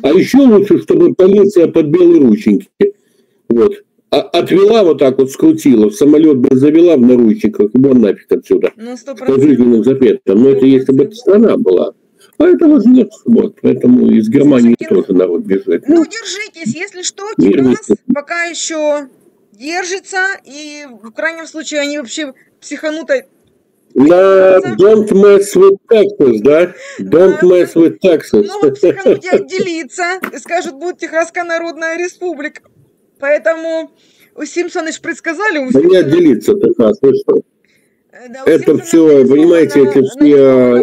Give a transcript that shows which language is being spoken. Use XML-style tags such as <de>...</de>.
<ru>А еще лучше, чтобы полиция под белые рученьки вот, отвела вот так вот, скрутила, в самолет бы завела в наручниках, и вон нафиг отсюда. Ну, 100%. С пожизненным запретом. Но это если бы эта страна была. А этого же нет, вот, поэтому из Германии слушайте, тоже народ бежит. Ну, держитесь, если что, Кипрас пока еще держится, и в крайнем случае они вообще психанутые.</ru> <en>На don't mess with Texas, да? Don't mess with Texas.</en> <ru>Ну, психанутые отделиться, скажут, будет Техасская Народная Республика. Поэтому у Симпсона же предсказали. Да не отделиться, Техас, вы что? Да, это все, понимаете, эти все...</ru>